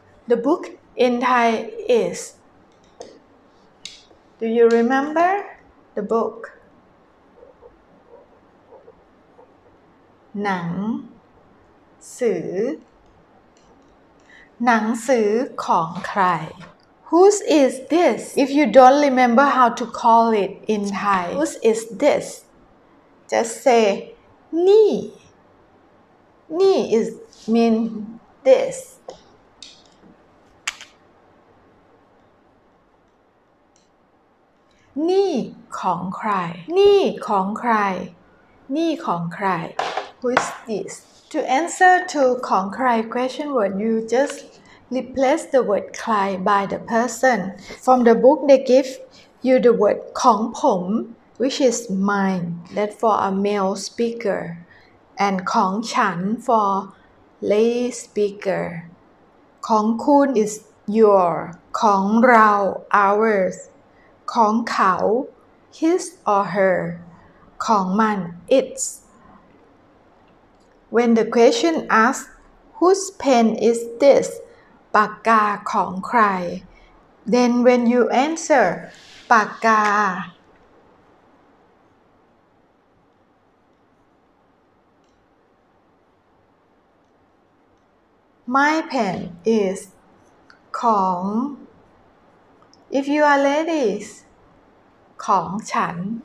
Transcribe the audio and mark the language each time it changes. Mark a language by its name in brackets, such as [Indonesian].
[English] The book in Thai is, do you remember the book? [Thai] หนังสือหนังสือของใคร [English] Whose is this? If you don't remember how to call it in Thai Whose is this? Just say นี่นี่ is mean this [Thai] นี่ของใครนี่ของใครนี่ของใคร [English] Whose this? To answer to ของใคร question word, you just replace the word ใคร by the person. From the book, they give you the word ของผม, which is mine, that for a male speaker, and ของฉัน for lay speaker. ของคุณ is your, ของเรา ours, ของเขา his or her, ของมัน it's. When the question asks, whose pen is this? [Thai] ปากกาของใคร? [English] Then when you answer, ปากกา My pen is ของ If you are ladies, ของฉัน